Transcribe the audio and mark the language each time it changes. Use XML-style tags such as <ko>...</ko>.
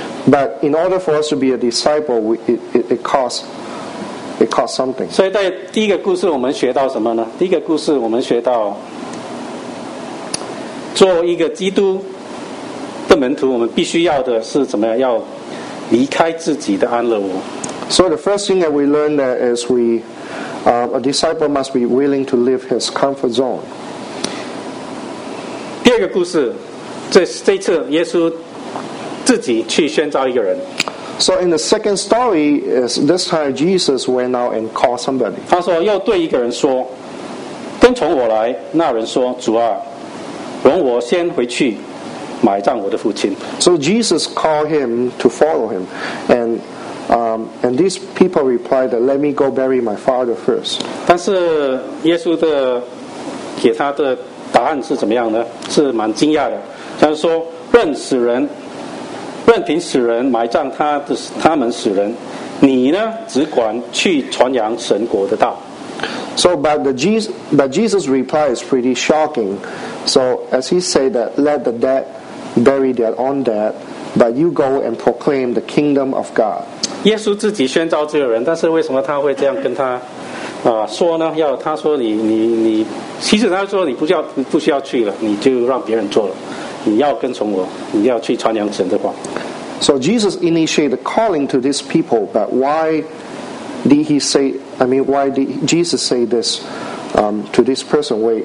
<en>but in order for us to be a disciple, it costs something.</en> <zh>所以在第一个故事我们学到什么呢?第一个故事我们学到 做一个基督的门徒, 我们必须要的是怎么样? 要离开自己的安乐窝。</zh> <en>So the first thing that we learned that is a disciple must be willing to leave his comfort zone.</en> <zh>第二个故事, 这次耶稣自己去宣召一个人。</zh> <en>So in the second story, is this time Jesus went out and called somebody.</en> <zh>他说要对一个人说, 跟从我来, 那人说, 主啊, 容我先回去, 埋葬我的父亲。</zh> <en>So Jesus called him to follow him, and these people replied that, let me go bury my father first.</en> <zh>但是耶稣的, 给他的答案是怎么样呢? 是蛮惊讶的, 他说, 认死人, 任凭死人埋葬他们死人, 你呢, 只管去传扬神国的道。</zh> <en>So, but Jesus' reply is pretty shocking. So, as he said that, let the dead bury their own dead, but you go and proclaim the kingdom of God.</en> <zh>耶稣自己宣召这个人, 但是为什么他会这样跟他, 说呢? 要他说你, 其实他说你不需要, 不需要去了, 你就让别人做了, 你要跟从我, 你要去传扬神的话。</zh> <en>So Jesus initiated calling to these people, but why did he say, why did Jesus say this to this person?</en>